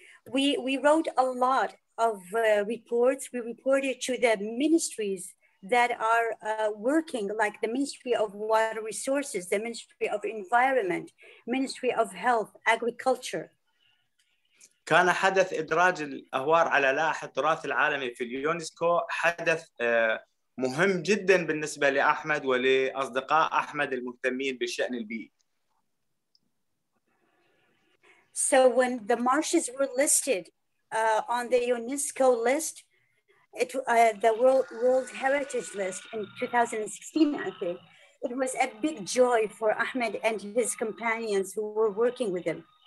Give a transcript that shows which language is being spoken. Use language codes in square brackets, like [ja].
[en] We wrote a lot of reports. We reported to the ministries that are working, like the Ministry of Water Resources, the Ministry of Environment, Ministry of Health, Agriculture. [ar] كان حدث إدراج الأهوار على لائحة التراث العالمي في اليونسكو حدث مهم جدا بالنسبة لأحمد ولأصدقاء أحمد المهتمين بالشأن البيئي. [en] So when the marshes were listed on the UNESCO list, the World Heritage List in 2016, I think, it was a big joy for Ahmed and his companions who were working with him.